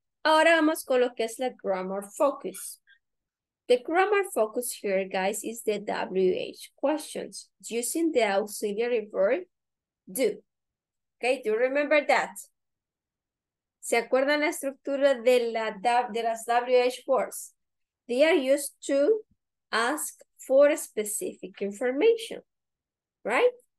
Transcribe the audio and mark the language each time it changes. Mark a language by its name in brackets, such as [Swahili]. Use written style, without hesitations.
[Spanish] Ahora vamos con lo que es la grammar focus. [English] The grammar focus here, guys, is the WH questions using the auxiliary verb do. Okay, do you remember that? [Spanish] ¿Se acuerdan la estructura de, la, de las WH words? [English] They are used to ask for specific information, right?